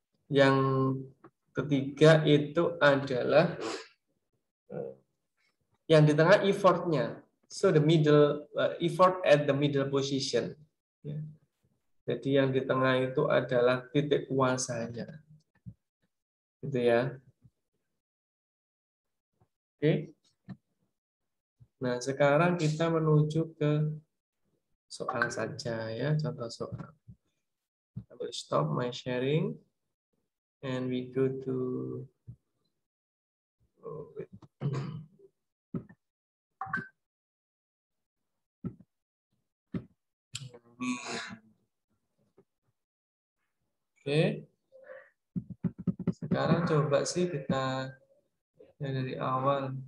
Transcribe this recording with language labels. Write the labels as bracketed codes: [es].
[id] Yang ketiga itu adalah yang di tengah effortnya. [en] So the middle, effort at the middle position. Yeah. [id] Jadi yang di tengah itu adalah titik kuasanya. Gitu ya. Oke. Okay. Nah, sekarang kita menuju ke soal saja ya, contoh soal. [en] I will stop my sharing and we go to Okay. [id] Sekarang coba sih kita ya dari awal.